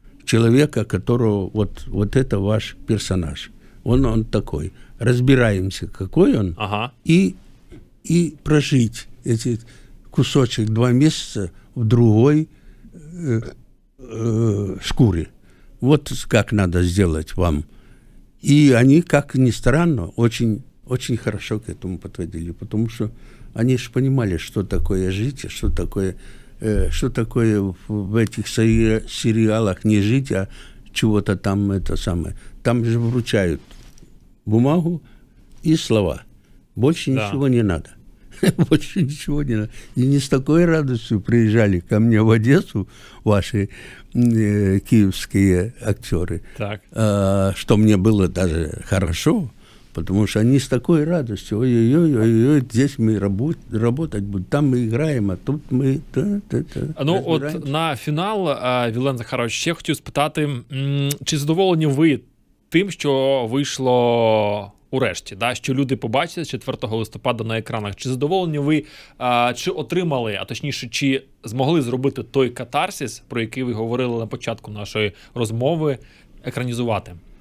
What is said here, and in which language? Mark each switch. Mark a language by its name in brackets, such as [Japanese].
[Ukrainian] Чоловіка, [Russian] которого [Ukrainian] от, от це ваш персонаж. Він такий. Розбираємося, який він, ага. і прожити цей кусочок два місяці в другій шкурі. От як треба зробити вам. І вони, як ні странно, дуже [Russian] очень хорошо к этому подходили, потому что они же понимали, что такое жить, что такое в этих сериалах не жить, а чего-то там это самое. Там же вручают бумагу и слова. Больше да. ничего не надо. Больше ничего не надо. И не с такой радостью приезжали ко мне в Одессу ваши киевские актеры, так. Что мне было даже хорошо. Потому что они с такой радостью, ой-ой-ой, здесь мы работать будем, там мы играем, а тут мы... [Ukrainian] Ну, от на фінал, Вілен Захарович, ще хотів спитати, чи задоволені ви тим, що вийшло урешті, да, що люди побачили 4 листопада на екранах, чи задоволені ви, чи отримали, а точніше, чи змогли зробити той катарсис, про який ви говорили на початку нашої розмови, екранізувати?